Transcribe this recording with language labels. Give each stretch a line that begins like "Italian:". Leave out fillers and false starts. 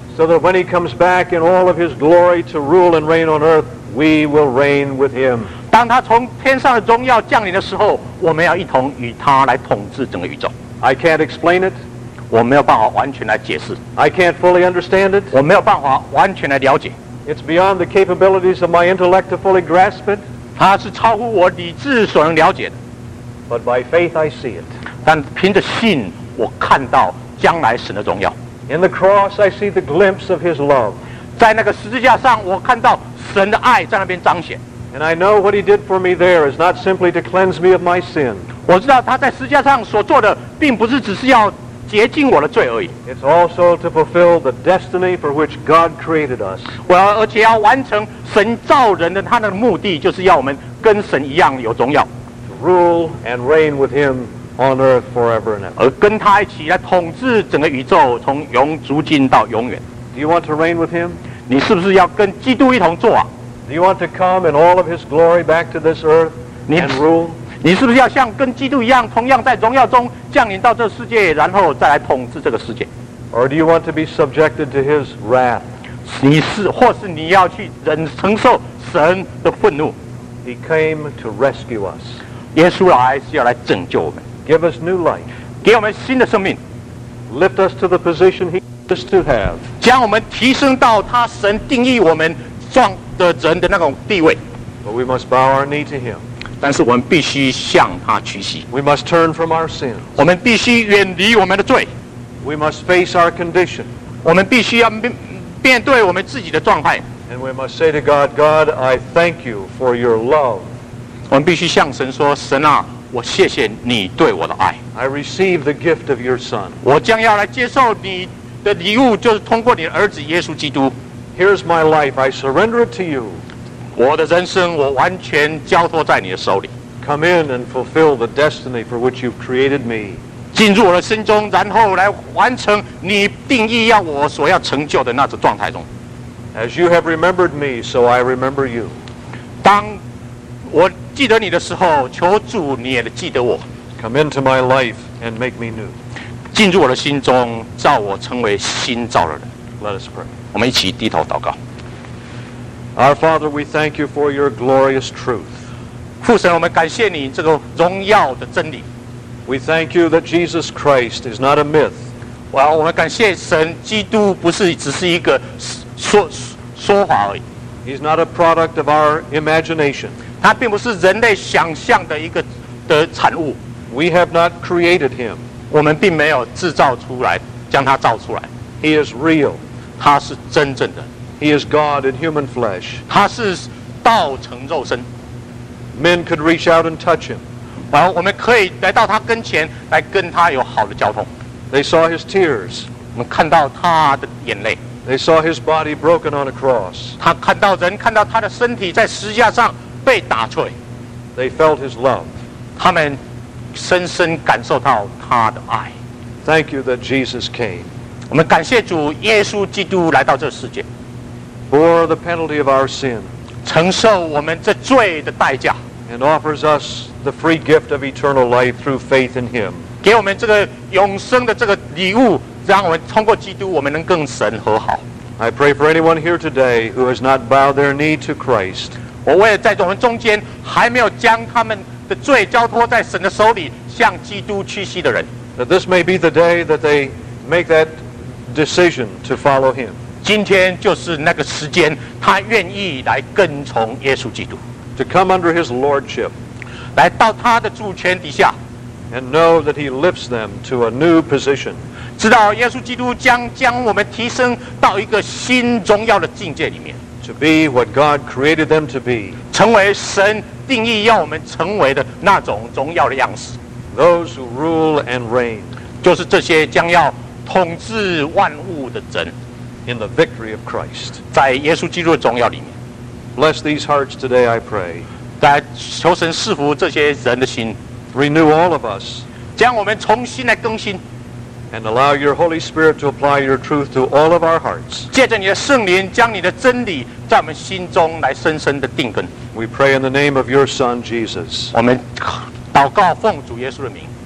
English: So that when he comes back in all of his glory to rule and reign on earth, we will reign with him.
Chinese: 当他从天上的荣耀降临的时候，我们要一同与他来统治整个宇宙。
English: I can't explain it.
Chinese: 我没有办法完全来解释。
English: I can't fully understand it.
Chinese: 我没有办法完全来了解。
English: It's beyond the capabilities of my intellect to fully grasp it.
Chinese: 它是超乎我理智所能了解的。
English: But by faith I see it.
Chinese: 但凭着信，我看到将来神的荣耀。
English: In the cross, I see the glimpse of His love.
Chinese: 在那个十字架上，我看到神的爱在那边彰显。
English: And I know what He did for me there is not simply to cleanse me of my sin.
Chinese: 我知道他在十字架上所做的，并不是只是要洁净我的罪而已。
English: It's also to fulfill the destiny for which God created us.
Chinese: 我要而且要完成神造人的他的目的，就是要我们跟神一样有荣耀。
English: To rule and reign with Him. On earth forever and ever.
Chinese: 而跟他一起来统治整个宇宙，从永足今到永远。
English: Do you want to reign with him?
Chinese: 你是不是要跟基督一同做啊？
English: Do you want to come in all of his glory back to this earth and rule?
Chinese: 你是不是要像跟基督一样，同样在荣耀中降临到这世界，然后再来统治这个世界？
English: Or do you want to be subjected to his wrath?
Chinese: 你是，或是你要去忍承受神的愤怒？
English: He came to rescue us.
Chinese: 耶稣来是要来拯救我们。
English: Give us new life.
Chinese: 给我们新的生命。
English: Lift us to the position He wants us to have.
Chinese: 将我们提升到他神定义我们状的人的那种地位。
English: But we must bow our knee to Him.
Chinese: 但是我们必须向他屈膝。
English: We must turn from our sins.
Chinese: 我们必须远离我们的罪。
English: We must face our condition.
Chinese: 我们必须要面对我们自己的状态。
English: And we must say to God, God, I thank you for your love.
Chinese: 我们必须向神说，神啊，我谢谢你对我的爱。
English: I receive the gift of your son.
Chinese: 我将要来接受你的礼物，就是通过你的儿子耶稣基督。
English: Here's my life. I surrender it to you.
Chinese: 我的人生，我完全交托在你的手里。
English: Come in and fulfill the destiny for which you've created me.
Chinese: 进入我的心中，然后来完成你定义要我所要成就的那种状态中。
English: As you have remembered me, so I remember you.
Chinese: 当我记得你的时候，求主你也记得我。
English: Come into my life and make me new.
Chinese: 进入我的心中，造我成为新造的人。
English: Let us pray.
Chinese: 我们一起低头祷告。
English: Our Father, we thank you for your glorious truth.
Chinese: 父神，我们感谢你这个荣耀的真理。
English: We thank you that Jesus Christ is not a myth.
Chinese: 我们感谢神，基督不是只是一个说法而已。
English: He's not a product of our imagination.
Chinese: 他并不是人类想象的一个的产物。
English: We have not created him.
Chinese: 我们并没有制造出来，将他造出来。
English: He is real.
Chinese: 他是真正的。
English: He is God in human flesh.
Chinese: 他是道成肉身。
English: Men could reach out and touch him.
Chinese: 我们可以来到他跟前，来跟他有好的交通。
English: They saw his tears.
Chinese: 我们看到他的眼泪。
English: They saw his body broken on a cross.
Chinese: 他看到人，看到他的身体在十字架上被打碎。
English: They felt his love.
Chinese: 他们深深感受到他的爱。
English: Thank you that Jesus came.
Chinese: 我们感谢主耶稣基督来到这世界。
English: Bore the penalty of our sin.
Chinese: 承受我们这罪的代价。
English: And offers us the free gift of eternal life through faith in him.
Chinese: 给我们这个永生的这个礼物，让我们通过基督，我们能跟神和好。
English: I pray for anyone here today who has not bowed their knee to Christ.
Chinese: 我为了在我们中间还没有将他们的罪交托在神的手里，向基督屈膝的人。
English: That this may be the day that they make that decision to follow him.
Chinese: 今天就是那个时间，他愿意来跟从耶稣基督。
English: To come under his lordship.
Chinese: 来到他的主权底下。
English: And know that he lifts them to a new position.
Chinese: 知道耶稣基督将我们提升到一个新荣耀的境界里面。
English: To be what God created them to be.
Chinese: 成为神定义要我们成为的那种荣耀的样式。
English: Those who rule and reign.
Chinese: 就是这些将要统治万物的人。
English: In the victory of Christ.
Chinese: 在耶稣基督的荣耀里面。
English: Bless these hearts today, I pray.
Chinese: 来求神赐福这些人的心。
English: Renew all of us.
Chinese: 将我们重新来更新。
English: And allow your Holy Spirit to apply your truth to all of our hearts.
Chinese: 借着你的圣灵，将你的真理在我们心中来深深的定根。
English: We pray in the name of your Son, Jesus.
Chinese: 我们祷告奉主耶稣的名。